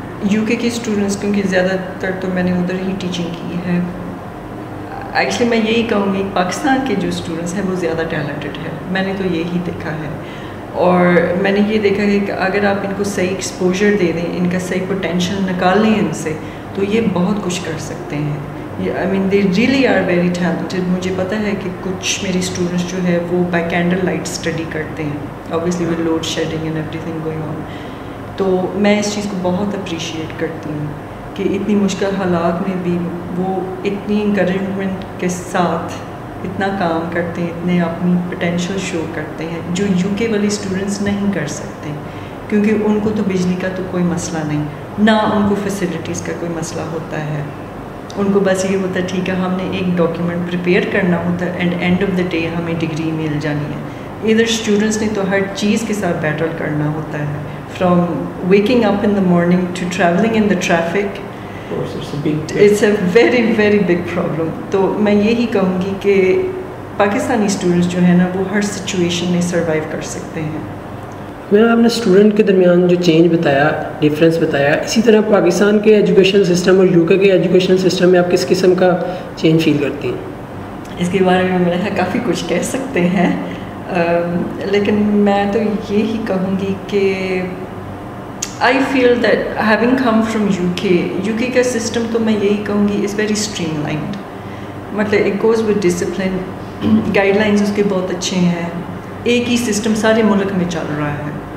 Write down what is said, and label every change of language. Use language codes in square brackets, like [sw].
[ur] You کے کے students, کیونکہ زیادہ تر تو میں نے ادھر ہی ٹیچنگ کی ہے, ایکچولی میں یہی کہوں گی پاکستان کے جو اسٹوڈنٹس ہیں وہ زیادہ ٹیلنٹڈ ہے, میں نے تو یہی دیکھا ہے. اور میں نے یہ دیکھا ہے کہ اگر آپ ان کو صحیح ایکسپوجر دے دیں, ان کا صحیح پوٹینشیل نکال لیں ان سے, تو یہ بہت کچھ کر سکتے ہیں. [en] I mean they really are very talented. [ur] مجھے پتہ ہے کہ کچھ میری اسٹوڈنٹس جو ہے وہ بائی کینڈل لائٹ اسٹڈی کرتے ہیں, [en] Obviously with load shedding and everything going on. [ur] تو میں اس چیز کو بہت اپریشیٹ کرتی ہوں کہ اتنی مشکل حالات میں بھی وہ اتنی انکریجمنٹ کے ساتھ اتنا کام کرتے ہیں, اتنے اپنی پوٹینشیل شو کرتے ہیں جو یو کے والے اسٹوڈنٹس نہیں کر سکتے, کیونکہ ان کو تو بجلی کا تو کوئی مسئلہ نہیں, نہ ان کو فیسلٹیز کا کوئی مسئلہ ہوتا ہے. ان کو بس یہ ہوتا ہے ٹھیک ہے ہم نے ایک ڈاکیومنٹ پریپیئر کرنا ہوتا ہے [en] and end of the day [ur] ہمیں ڈگری مل جانی ہے. ادھر اسٹوڈنٹس نے تو ہر چیز کے ساتھ بیٹل کرنا ہوتا ہے, [en] From waking up in the morning to travelling in the traffic It's a very, very big problem. So I will say that the Pakistani students can survive in any situation. [ur] میں آپ نے اسٹوڈنٹ کے درمیان جو change بتایا difference بتایا اسی طرح پاکستان کے ایجوکیشن سسٹم اور یو کے ایجوکیشن سسٹم میں آپ کس قسم کا چینج فیل کرتی ہیں اس کے بارے میں میرا خیال کافی کچھ کہہ سکتے ہیں لیکن میں تو یہ ہی کہوں گی کہ [en] I feel that having come from [ur] you کے کا سسٹم تو میں یہی کہوں گی [en] is very streamlined [ur] مطلب [en] it goes with discipline [ur] guide lines اس کے بہت اچھے ہیں ایک ہی سسٹم سارے ملک میں چل رہا ہے